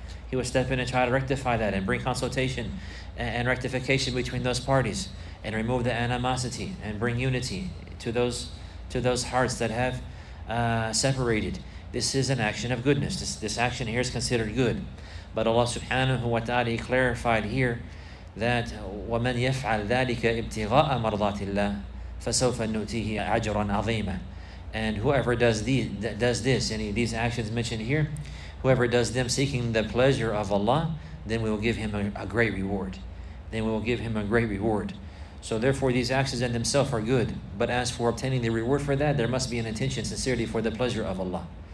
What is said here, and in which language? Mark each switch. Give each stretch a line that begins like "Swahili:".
English: He would step in and try to rectify that and bring consultation and rectification between those parties and remove the animosity and bring unity to those hearts that have separated. This is an action of goodness. This action here is considered good. But Allah subhanahu wa ta'ala clarified here that
Arabic: وَمَنْ يَفْعَلْ ذَلِكَ ابْتِغَاءَ مَرْضَاتِ اللَّهِ فَسَوْفَ نُؤْتِيهِ أَجْرًا عَظِيمًا.
English: And whoever does this, any of these actions mentioned here, whoever does them seeking the pleasure of Allah, then we will give him a great reward. Then we will give him a great reward. So therefore, these actions in themselves are good. But as for obtaining the reward for that, there must be an intention sincerity for the pleasure of Allah.